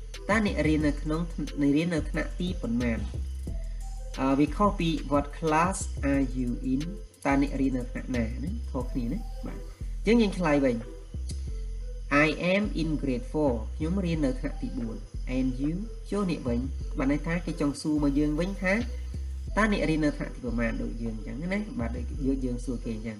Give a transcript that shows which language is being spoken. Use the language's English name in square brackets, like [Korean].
[Khmer] តើអ្នករៀននៅក្នុងរៀននៅថ្នាក់ទីប៉ុន្មាន? [English] We call be what class are you in? [Khmer] តើអ្នករៀននៅថ្នាក់ណាណាខុសគ្នាណាបាទយើងឆ្លើយវិញ [English] I am in grade 4. [Khmer] ខ្ញុំរៀននៅថ្នាក់ទី4. [English] And you? [Khmer] ចុះអ្នកវិញបាទន័យថាគេចង់សួរមកយើងវិញថាតើអ្នករៀននៅថ្នាក់ទីប៉ុន្មានដូចយើងអញ្ចឹងណាបាទដូចយើងសួរគេអញ្ចឹង.